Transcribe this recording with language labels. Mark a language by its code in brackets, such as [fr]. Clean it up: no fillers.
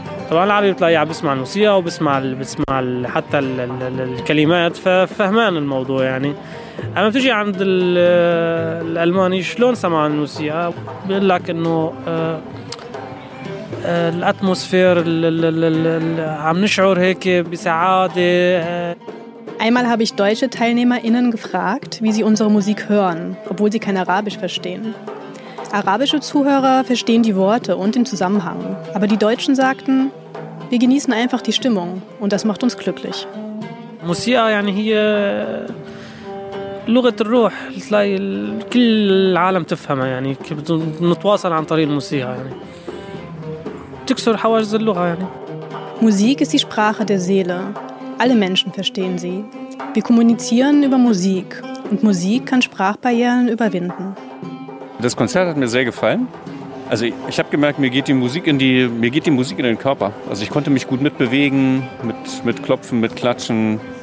[ar] طبعا العربي بتلاقيه عم بسمع الموسيقى وبسمع بسمع حتى الكلمات، ففهمان الموضوع يعني. أما بتجي عند الألماني شلون سمع الموسيقى، بيقول لك إنه الأتموسفير عم نشعر هيك بسعادة. [de] Einmal habe ich deutsche TeilnehmerInnen gefragt, wie sie unsere Musik hören, obwohl sie kein Arabisch verstehen. Arabische Zuhörer verstehen die Worte und den Zusammenhang, aber die Deutschen sagten, wir genießen einfach die Stimmung und das macht uns glücklich. [ar] Musik يعني هي لغة الروح، تلاقي كل العالم تفهمها يعني، نتواصل عن طريق الموسيقى يعني، تكسر حواجز اللغة يعني. [de] Musik ist die Sprache der Seele. Alle Menschen verstehen sie. Wir kommunizieren über Musik und Musik kann Sprachbarrieren überwinden. Das Konzert hat mir sehr gefallen. Also ich habe gemerkt, mir geht die Musik in den Körper. Also ich konnte mich gut mitbewegen, mit Klopfen, mit Klatschen.